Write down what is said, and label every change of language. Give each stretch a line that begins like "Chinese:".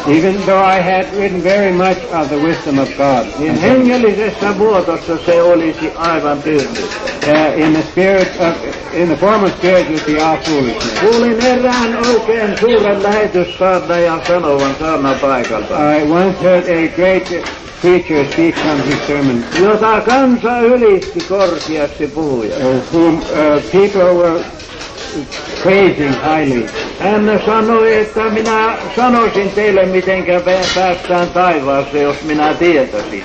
English: Even though I had written very much of the wisdom of God.
Finnish: Niin hengellisessä muodossa se olisi aivan tyhmistä.
English: In the form of spirit would be all foolishness.
Finnish: Kuulin erään oikein suuren lähetyssaarnaajan sanovan saarnan paikalta.
English: I once heard a great preacher speak from his sermon.
Finnish: Jota kansa ylisti korkeasti puhuja.
English: Whom people were praising highly.
Finnish: Hän sanoi, että minä sanoisin teille, mitenkä päästään taivaaseen, jos minä tietäisin.